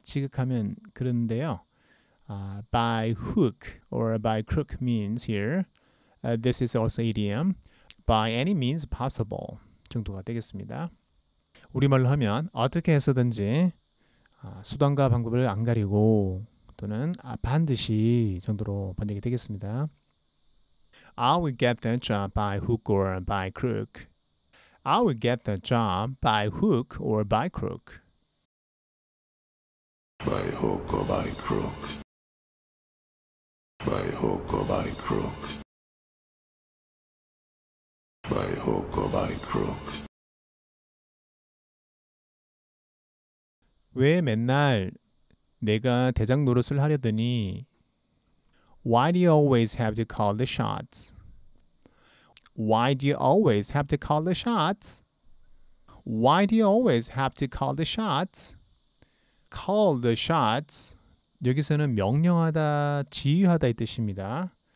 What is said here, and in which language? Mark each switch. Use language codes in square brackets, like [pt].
[ko] 지극하면 그런데요. [en] By hook or by crook means here. This is also idiom. By any means possible [ko] 정도가 되겠습니다. 우리말로 하면 어떻게 해서든지 수단과 방법을 안 가리고 또는 반드시 정도로 번역이 되겠습니다. [en] I will get that job by hook or by crook. I will get the job by hook or by crook. By hook or by crook. By hook or by crook. By hook or by crook. [ko] 왜 맨날 내가 대장 노릇을 하려더니 [en] Why do you always have to call the shots? Why do you always have to call the shots? Why do you always have to call the shots? Call the shots. [ko] 여기서는 명령하다, 지휘하다의 뜻입니다.